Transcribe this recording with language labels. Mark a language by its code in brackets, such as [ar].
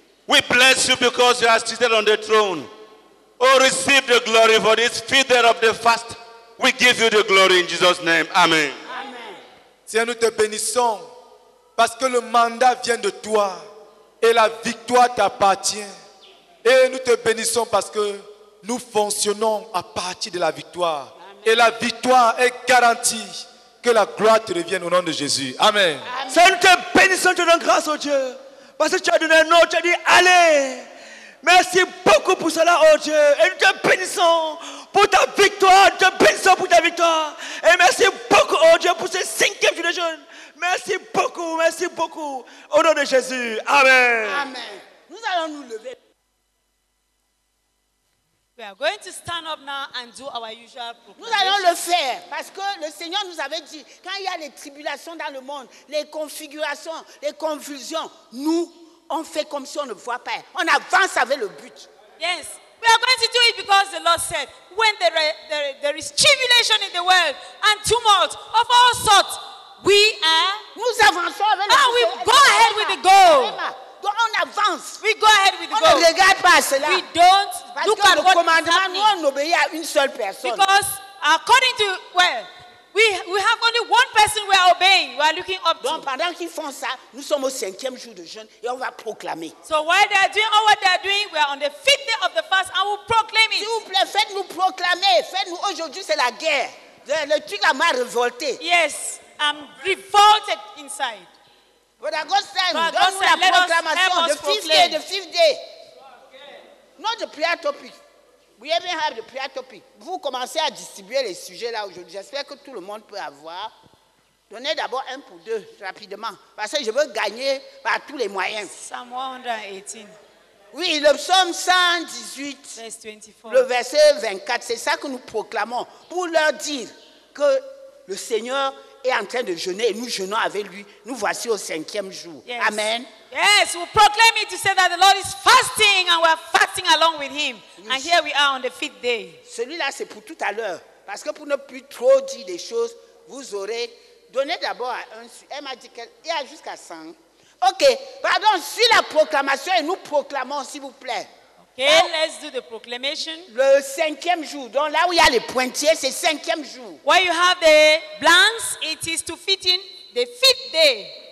[en] We bless you because you are seated on the throne. Oh, receive the glory for this fifth day of the fast. We give you the glory in Jesus' name. Amen. Amen. [fr] Seigneur, nous te bénissons parce que le mandat vient de toi et la victoire t'appartient. Et nous te bénissons parce que nous fonctionnons à partir de la victoire. Et la victoire est garantie. Que la gloire te revienne au nom de Jésus. Amen. Amen. Seigneur, nous te bénissons, te donnons grâce au Dieu. Parce que tu as donné un nom, tu as dit allez. Merci beaucoup pour cela, oh Dieu. Et nous te bénissons pour ta victoire. Nous te bénissons pour ta victoire. Et merci beaucoup, oh Dieu, pour ce cinquième jour de jeûne. Merci beaucoup, au nom de Jésus. Amen. Amen. Nous allons nous lever. [en] We are going to stand up now and do our usual proclamation. [fr] Nous allons le faire parce que le Seigneur nous avait dit quand il y a les tribulations dans le monde, les configurations, les convulsions, nous on fait comme si on ne voit pas. On avance avec le but. [en] Yes, we are going to do it because the Lord said, when there is tribulation in the world and tumult of all sorts, we are. [fr] Nous avançons avec le [en] but. And we go ahead with the goal. [fr] Donc on avance. [en] We go ahead with [fr] on ne regarde pas cela. [en] We don't look [fr] parce que le commandement, nous, on obéit à une seule personne. [en] Because according to we have only one person we are obeying. We are looking up [fr] donc [en] to. [fr] Pendant qu'ils font ça, nous sommes au cinquième jour de jeûne et on va proclamer. [en] So while they are doing all what they are doing, we are on the fifth day of the fast and we'll proclaim it. [fr] S'il vous plaît, faites-nous proclamer. Faites-nous aujourd'hui, c'est la guerre. Le truc là m'a révolté. [en] Yes, I'm revolted inside. But Augustine, [fr] donne-nous la proclamation de [en] fifth day. Not the prayer topic. We even have the prayer topic. [fr] Vous commencez à distribuer les sujets là aujourd'hui. J'espère que tout le monde peut avoir. Donnez d'abord un pour deux, rapidement. Parce que je veux gagner par tous les moyens. [en] Psalm 118. [fr] Oui, le psaume 118. [en] Verse 24. [fr] Le verset 24, c'est ça que nous proclamons. Pour leur dire que le Seigneur est en train de jeûner et nous jeûnons avec lui. Nous voici au cinquième jour. [en] Yes. Amen. Yes, we proclaim it to say that the Lord is fasting and we are fasting along with him. Yes. And here we are on the fifth day. [fr] Celui-là, c'est pour tout à l'heure. Parce que pour ne plus trop dire des choses, vous aurez donné d'abord à un. Elle m'a dit qu'il y a jusqu'à 100. OK, pardon, suis la proclamation et nous proclamons, s'il vous plaît. [en] OK, donc, let's do the proclamation. [fr] Le cinquième jour, donc là où il y a les pointiers, c'est le cinquième jour. [en] Where you have the blanks, it is to fit in the fifth day.